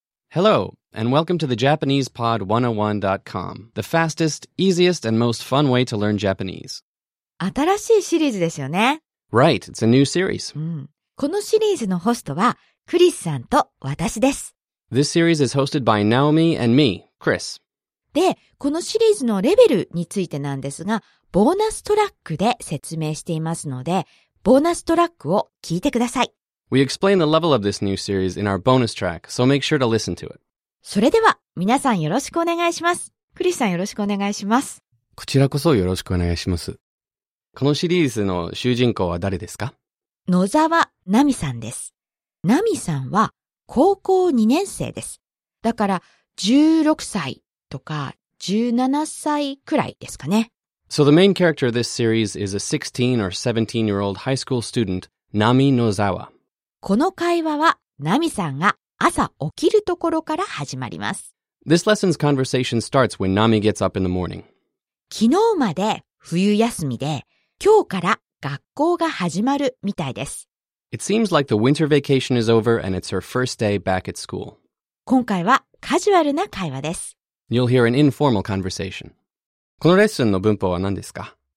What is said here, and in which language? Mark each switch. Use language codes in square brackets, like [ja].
[en] Hello, and welcome to the JapanesePod101.com, the fastest, easiest, and most fun way to learn Japanese. [ja] 新しいシリーズですよね。 [en] Right, it's a new series. [ja] このシリーズのホストはクリスさんと私です。 [en] This series is hosted by Naomi and me, Chris. [ja] で、このシリーズのレベルについてなんですが、ボーナストラックで説明していますので、ボーナストラックを聞いてください。 [en] We explain the level of this new series in our bonus track, so make sure to listen to it. [ja] それでは、皆さんよろしくお願いします。クリスさんよろしくお願いします。こちらこそよろしくお願いします。このシリーズの主人公は誰ですか？野沢奈美さんです。奈美さんは高校2年生です。だから16歳とか17歳くらいですかね。 [en] So the main character of this series is a 16 or 17 year old high school student, Nami Nozawa. [ja] この会話は、Nami さんが朝起きるところから始まります。 [en] This lesson's conversation starts when Nami gets up in the morning. [ja] 昨日まで冬休みで、今日から学校が始まるみたいです。 [en] It seems like the winter vacation is over and it's her first day back at school. [ja] 今回はカジュアルな会話です。 [en] You'll hear an informal conversation. [ja] このレッスンの文法は何ですか?